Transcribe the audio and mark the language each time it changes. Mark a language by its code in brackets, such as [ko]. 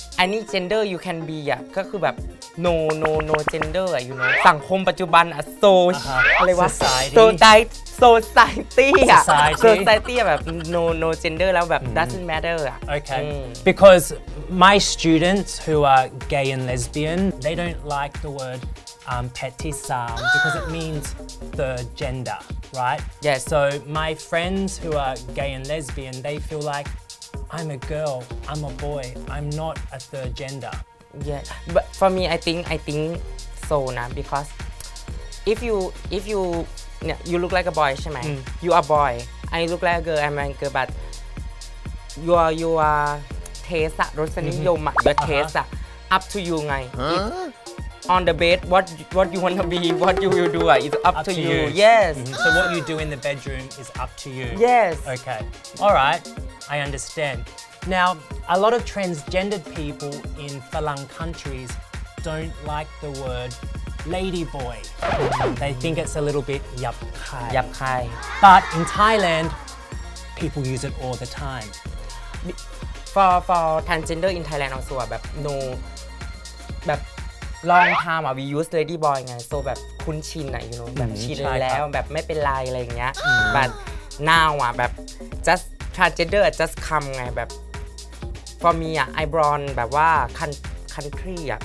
[en] Any gender you can be [th] ก็คือแบบ [en] no gender you know [th] สังคมปัจจุบันอะ social อะไรวะ [en] society แบบ no gender แล้วแบบ doesn't matter okay because my students who are gay and lesbian they don't like the word petty sam because it means third gender right yes so my friends who are gay and lesbian they feel likeI'm a girl. I'm a boy. I'm not a third gender. Yeah, but for me, I think so, nah. Because if you look like a boy, right? Mm. You are boy. I look like a girl. I'm a girl. But your taste, rosanium, your taste, up to you, right? Huh? On the bed, what you wanna be, what you will do, is up to you. Yes. Mm-hmm. So what you do in the bedroom is up to you. Yes. Okay. All right. I understand. Now, a lot of transgendered people in Falang countries don't like the word ladyboy. They think it's a little bit yapkai. But in Thailand, people use it all the time. For transgender in Thailand also, แบบ no, แบบ long time we use ladyboy ไง so [th] แบบคุ้นชินอะ [en] you know [th] แบบชินแล้วแบบไม่เป็นไรอะไรเงี้ย [en] but now อะแบบ justTransgender just come ไงแบบ for me I born [th] แบบว่า [en] country